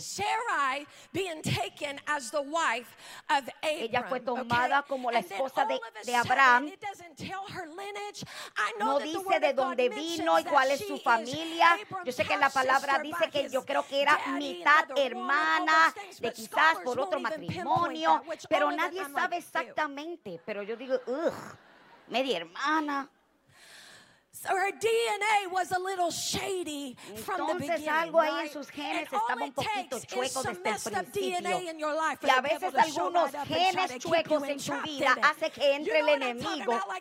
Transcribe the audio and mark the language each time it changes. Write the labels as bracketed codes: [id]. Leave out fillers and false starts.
[en] Sarai being taken as the wife of Abram. [es] Ella fue tomada como la esposa de Abraham. [en] It doesn't tell her lineage. [es] No dice de dónde vino y cuál es su familia. Yo sé que la palabra dice que yo creo que era mitad hermana de quizás por otro matrimonio, pero nadie sabe exactamente. Pero yo digo, media hermana. [en] So her DNA was a little shady from the beginning. [es] algo ahí en sus genes estaba un poquito chueco desde el principio. Y a veces algunos genes chuecos en su vida hace que entre el enemigo.